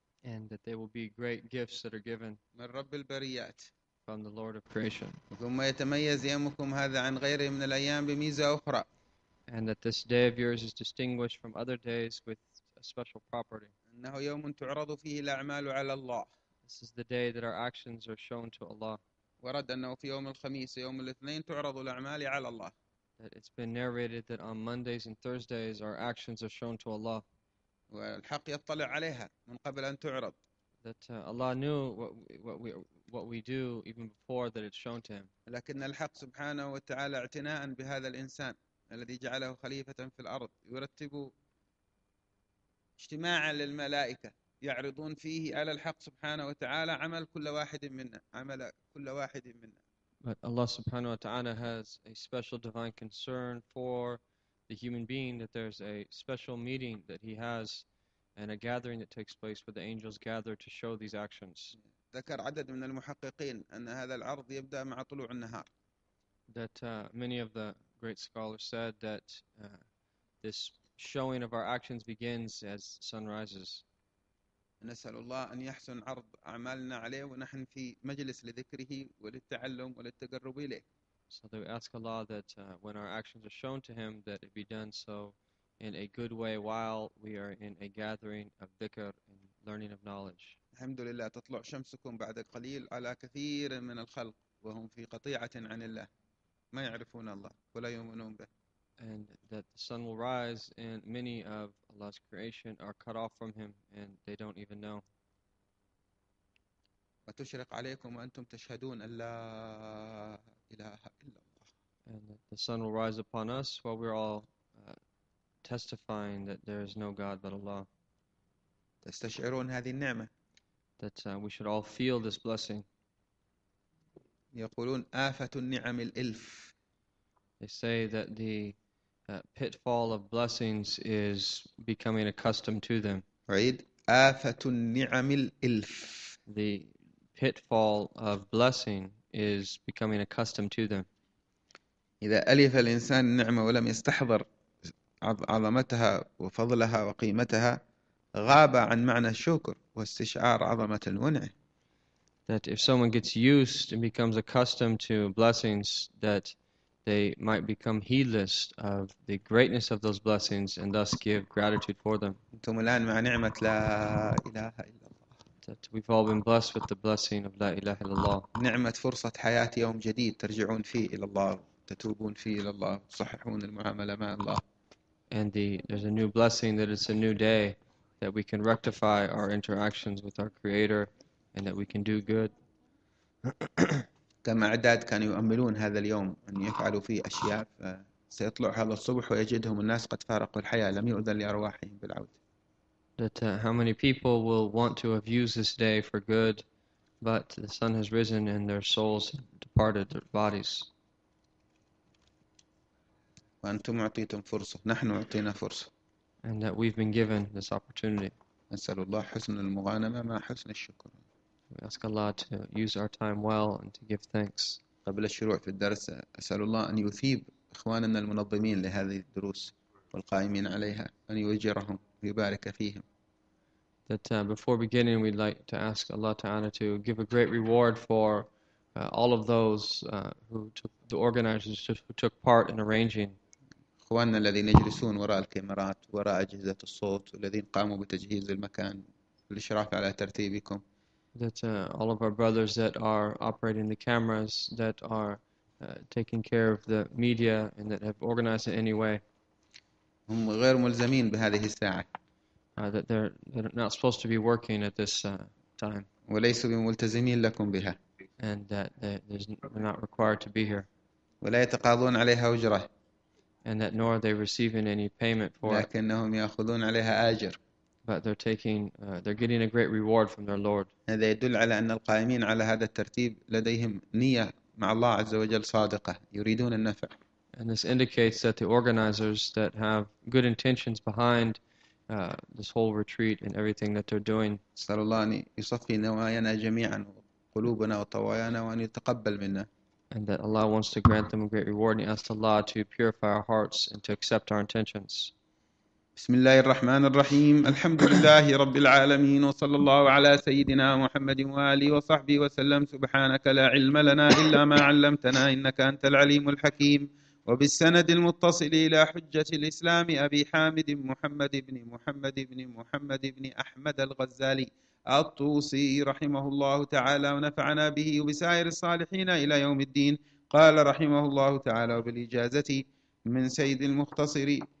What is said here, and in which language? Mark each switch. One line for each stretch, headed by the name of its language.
English: And that they will be great gifts that are given
Arabic: من رب البريات.
English: from the Lord of creation.
Arabic: ثم يتميز يومكم هذا عن غيره من الأيام بميزة أخرى.
English: And that this day of yours is distinguished from other days with a special property.
Arabic: إنه يوم تعرض فيه الأعمال على الله.
English: This is the day that our actions are shown to Allah.
Arabic: ورد أنه في يوم الخميس ويوم الاثنين تعرض الأعمال على الله.
English: That it's been narrated that on Mondays and Thursdays our actions are shown to Allah.
Arabic: والحق يطلع عليها من قبل أن تعرض.
English: That Allah knew what we do even before that it's shown to Him.
Arabic: لكن الحق سبحانه وتعالى اعتناء بهذا الإنسان الذي جعله خليفة في الأرض يرتب اجتماعا للملائكة يعرضون فيه على الحق سبحانه وتعالى عمل كل واحد منا عمل كل واحد منا.
English: But Allah
Arabic: subhanahu wa ta'ala
English: has a special divine concern for the human being, that there's a special meeting that he has and a gathering that takes place where the angels gather to show these actions.
Arabic: ذكر عدد من المحققين أن هذا العرض يبدأ مع طلوع النهار.
English: That many of the great scholars said that this showing of our actions begins as sun rises.
Arabic: نسأل الله أن يحسن عرض أعمالنا عليه ونحن في مجلس لذكره وللتعلم وللتقرب إليه.
English: So that we ask Allah that when our actions are shown to Him, that it be done so in a good way while we are in a gathering of dhikr and learning of knowledge.
Arabic: الحمد لله تطلع شمسكم بعد قليل على كثير من الخلق وهم في قطيعة عن الله ما يعرفون الله ولا يؤمنون به.
English: And that the sun will rise and many of Allah's creation are cut off from Him and they don't even know.
Arabic: وتشرق عليكم وأنتم تشهدون أن لا إله إلا الله.
English: And that the sun will rise upon us while we're all testifying that there is no God but Allah.
Arabic: تستشعرون هذه النعمة.
English: That we should all feel this blessing.
Arabic: يقولون آفة النعم الإلف.
English: They say that the pitfall of blessings is becoming accustomed to them.
Arabic: عيد آفة النعم الإلف.
English: The pitfall of blessing is becoming accustomed to them.
Arabic: إذا ألف الإنسان النعمة ولم يستحضر عظمتها وفضلها وقيمتها غاب عن معنى الشكر واستشعار عظمة المنعم.
English: That if someone gets used and becomes accustomed to blessings, that they might become heedless of the greatness of those blessings and thus give gratitude for them.
Arabic: أنتم الآن مع نعمة لا إله إلا الله.
English: That we've all been blessed with the blessing of
Arabic: لا إله إلا الله. نعمة فرصة حياة يوم جديد ترجعون فيه إلى الله تتوبون فيه إلى الله تصححون المعاملة مع الله.
English: And there's a new blessing that it's a new day. That we can rectify our interactions with our Creator and that we can do good.
Arabic: كما أعداد كانوا يؤملون هذا اليوم أن يفعلوا فيه أشياء سيطلع هذا الصبح ويجدهم الناس قد فارقوا الحياة لم يؤذن لأرواحهم بالعودة.
English: That how many people will want to have used this day for good, but the sun has risen and their souls departed their bodies.
Arabic: وأنتم أعطيتم فرصة، نحن أعطينا فرصة.
English: And that we've been given this opportunity.
Arabic: نسأل الله حسن المغانمة مع حسن الشكر.
English: We ask Allah to use our time well and to give thanks.
Arabic: قبل الشروع في الدرس أسأل الله أن يثيب إخواننا المنظمين لهذه الدروس والقائمين عليها أن يوجرهم ويبارك فيهم.
English: That before beginning we'd like to ask Allah Ta'ala to give a great reward for all of those who took the organizers who took part in arranging.
Arabic: إخواننا الذين يجلسون وراء الكاميرات وراء أجهزة الصوت والذين قاموا بتجهيز المكان والإشراف على ترتيبكم.
English: That all of our brothers that are operating the cameras, that are taking care of the media and that have organized in any way.
Arabic: هم غير ملزمين بهذه الساعة.
English: That they're not supposed to be working at this time.
Arabic: وليسوا بملتزمين لكم بها.
English: And that they're not required to be here.
Arabic: ولا يتقاضون عليها أجرة.
English: And that nor are they receiving any payment for it.
Arabic: لكنهم يأخذون عليها أجر.
English: But they're getting a great reward from their Lord.
Arabic: هذا يدل على أن القائمين على هذا الترتيب لديهم نية مع الله عز وجل صادقة يريدون النفع.
English: And this indicates that the organizers that have good intentions behind this whole retreat and everything that they're doing.
Arabic: صلى الله أن يصفي نوايانا جميعا قلوبنا وطوايانا وأن يتقبل منا.
English: And that Allah wants to grant them a great reward. And He asked Allah to purify our hearts and to accept our intentions.
Arabic: بسم الله الرحمن الرحيم، الحمد لله رب العالمين، وصلى الله على سيدنا محمد وآله وصحبه وسلم. سبحانك لا علم لنا إلا ما علمتنا، إنك أنت العليم الحكيم. وبالسند المتصل إلى حجة الإسلام أبي حامد محمد بن محمد بن محمد بن أحمد الغزالي الطوسي رحمه الله تعالى ونفعنا به وبسائر الصالحين إلى يوم الدين، قال رحمه الله تعالى وبالإجازة من سيد المختصر،